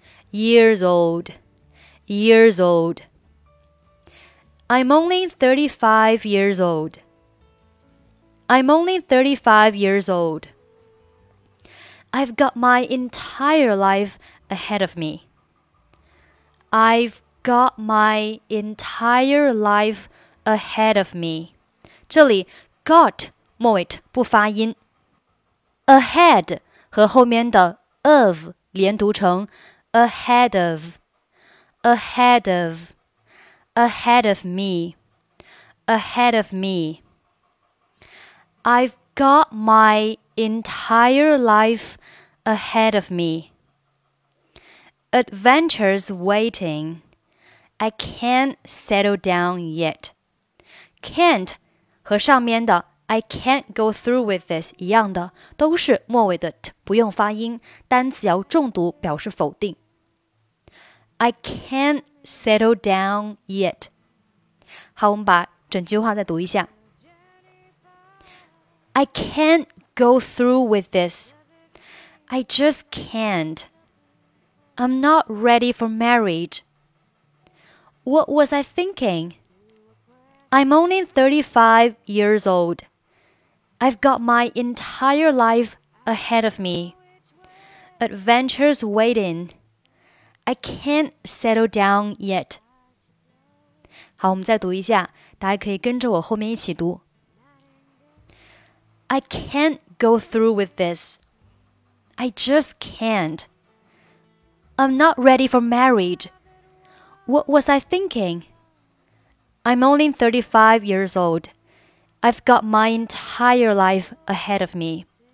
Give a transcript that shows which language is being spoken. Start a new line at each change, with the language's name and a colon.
English: years old, years old. I'm only 35 years old. I'm only 35 years old. I've got my entire life ahead of me. I've got my entire life ahead of me.
Chinese: 这里 got 末尾不发音
English: ahead
Chinese: 和后面的 of. 连读成
English: ahead of, ahead of, ahead of me, ahead of me. I've got my entire life ahead of me. Adventures waiting. I can't settle down yet.
Chinese: Can't 和上面的
English: I can't go through with this
Chinese: 一样的，都是末尾的 t。不用发音，单词要重读，表示否定。
English: I can't settle down yet.
Chinese: 好，我们把整句话再读一下。
English: I can't go through with this. I just can't. I'm not ready for marriage. What was I thinking? I'm only 35 years old. I've got my entire life ahead of me. Adventures waiting. I can't settle down yet.
Chinese: 好，我们再读一下，大家可以跟着我后面一起读。
English: I can't go through with this. I just can't. I'm not ready for marriage. What was I thinking? I'm only 35 years old. I've got my entire life ahead of me.